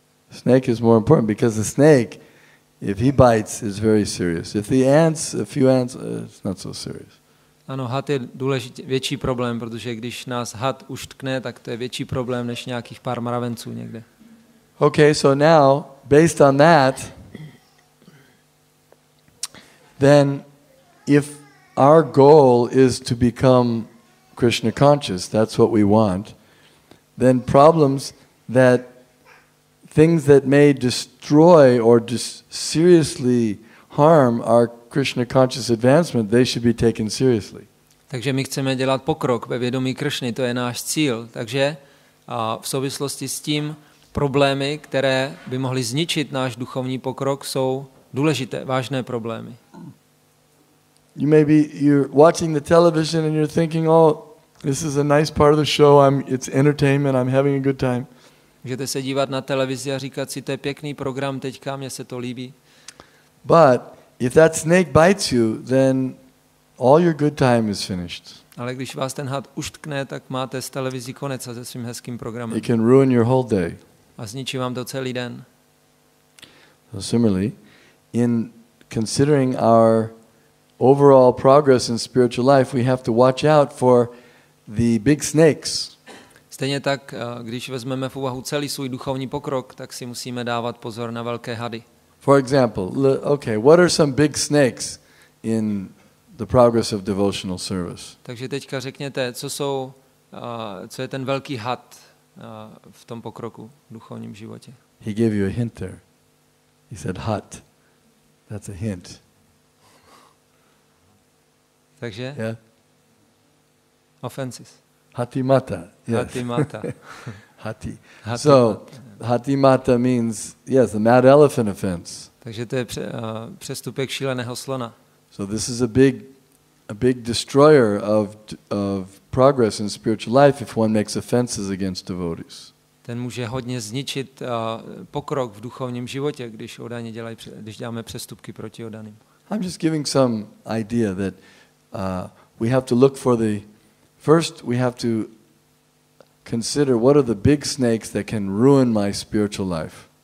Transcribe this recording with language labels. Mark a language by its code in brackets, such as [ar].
[en] Snake is more important because the snake, if he bites, is very serious. If the ants, a few ants, it's not so serious. [cs] Ano, had je důležitý, větší problém, protože když nás had uštkne, tak to je větší problém než nějakých pár mravenců někde. [en] Okay, so now, based on that, then if our goal is to become Krishna conscious, that's what we want, then problems that things that may destroy or seriously harm our Krishna conscious advancement, they should be taken seriously. [cs] Takže my chceme dělat pokrok ve vědomí Krishny, to je náš cíl. Takže a v souvislosti s tím problémy, které by mohly zničit náš duchovní pokrok, jsou důležité, vážné problémy. [en] You may be you're watching the television and you're thinking, "Oh, this is a nice part of the show. It's entertainment. I'm having a good time." [cs] Můžete se dívat na televizi a říkat si, to je pěkný program, teďka mě se to líbí. [en] But if that snake bites you, then all your good time is finished. [cs] Ale když vás ten had uštkne, tak máte z televizi konec a se svým hezkým programem. [en] It can ruin your whole day. [cs] A zničí vám to celý den. [en] So similarly, in considering our overall progress in spiritual life, we have to watch out for the big snakes. [cs] Stejně tak, když vezmeme v úvahu celý svůj duchovní pokrok, tak si musíme dávat pozor na velké hady. [en] For example, okay, what are some big snakes in the progress of devotional service? [cs] Takže teďka řekněte, co jsou, co je ten velký had v tom pokroku v duchovním životě. [en] He gave you a hint there. He said hut. That's a hint. [cs] Takže? [en] Yeah. Offenses. Hati mata. Yes. Hati mata. Hati. Hati. So, mata. Hati mata means yes, a mad elephant offense. [cs] Takže to je přestupek šíleného slona. [en] So this is a big destroyer of progress in spiritual life if one makes offenses against devotees. [cs] Ten může hodně zničit pokrok v duchovním životě, když odaní dělají, když děláme přestupky proti odaným. [en] I'm just giving some idea that we have to look for the first we have to consider what are the big snakes that can ruin my spiritual life.